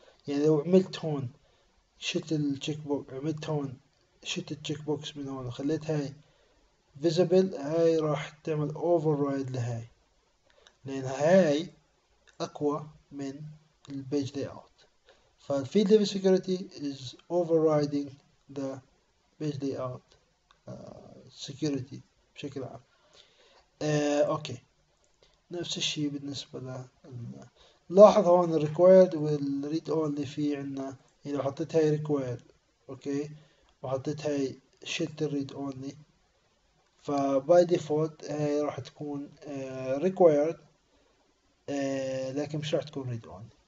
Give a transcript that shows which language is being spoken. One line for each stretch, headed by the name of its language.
Arabic: يعني لو عملت هون شت التشيك بوكس، عملت هون شت التشيك بوكس من هون وخليت هاي فيزيبل، هاي راح تعمل اوفر رايد لهاي، لان هاي أقوى من الـ Page Layout.
English: فالـ Field Level Security is overriding the Page Layout Security
Arabic: بشكل عام. أوكي، نفس الشيء بالنسبة ل، لاحظ هون الـ Required والـ Read Only. في عنا إذا حطيت هاي Required أوكي وحطيت هاي Shift Read Only، فـ by default هاي راح تكون Required، لكن مش راح تكون Read Only.